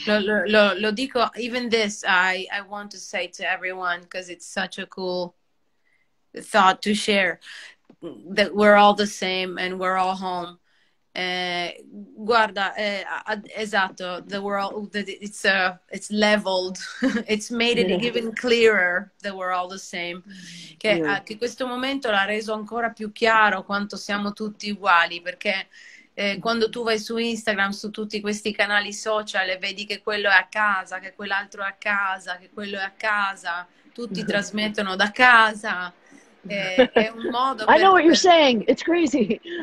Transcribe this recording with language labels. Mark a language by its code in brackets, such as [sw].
[it] Lo dico, [en] even this, I want to say to everyone, because it's such a cool thought to share, that we're all the same and we're all home. [it] Guarda, esatto, [en] the world, it's leveled, it's made it even clearer that we're all the same. [it] Che questo momento l'ha reso ancora più chiaro quanto siamo tutti uguali, perché... quando tu vai su Instagram, su tutti questi canali social, e vedi che quello è a casa, che quell'altro è a casa, che quello è a casa, tutti trasmettono da casa. È un modo per... [en] I know what you're saying, it's crazy.